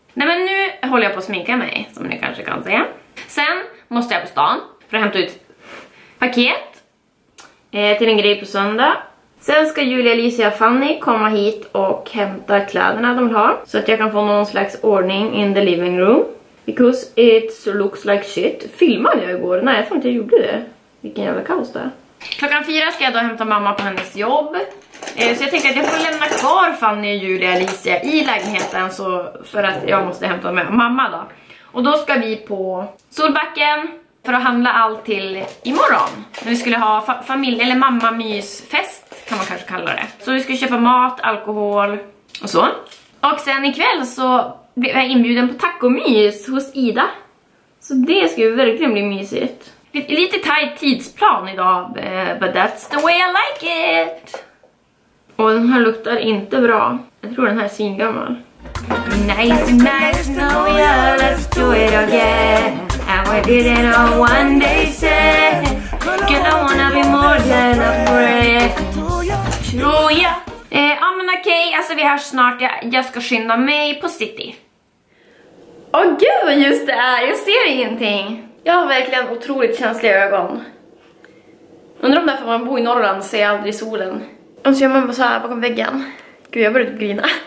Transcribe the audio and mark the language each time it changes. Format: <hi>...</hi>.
<sv>Nej men nu håller jag på att sminka mig, som ni kanske kan se. Sen måste jag på stan för att hämta ut paket till en grej på söndag. Sen ska Julia, Alicia och Fanny komma hit och hämta kläderna de vill ha. Så att jag kan få någon slags ordning</sv> <en>in the living room. Because it looks like shit.</en> <sv>Filmade jag igår? Nej, jag tror inte jag gjorde det. Vilken jävla kaos det är. Klockan 4 ska jag då hämta mamma på hennes jobb. Så jag tänkte att jag får lämna kvar Fanny, Julia och Alicia i lägenheten. Så för att jag måste hämta med mamma då. Och då ska vi på Solbacken för att handla allt till imorgon. När vi skulle ha familj- eller mammamysfest kan man kanske kalla det. Så vi ska köpa mat, alkohol och så. Och sen ikväll så blev jag inbjuden på tacomys hos Ida. Så det ska ju verkligen bli mysigt. Lite tajt tidsplan idag,</sv> <en>but that's the way I like it!</en> <sv>Och den här luktar inte bra. Jag tror den här är svingammal.</sv> <en>Nice and nice to know ya, let's do it again. And we did it all one day, say. Girl, I wanna be more than a friend.</en> <sv>Tror ja. Men okej, alltså vi hörs snart. Jag ska skynda mig på city. Åh gud vad ljus det är, jag ser ingenting. Jag har verkligen otroligt känsliga ögon. Undrar om därför man bor i Norrland ser jag aldrig solen. Och så gör man så här bakom väggen. Gud, jag började grina.</sv>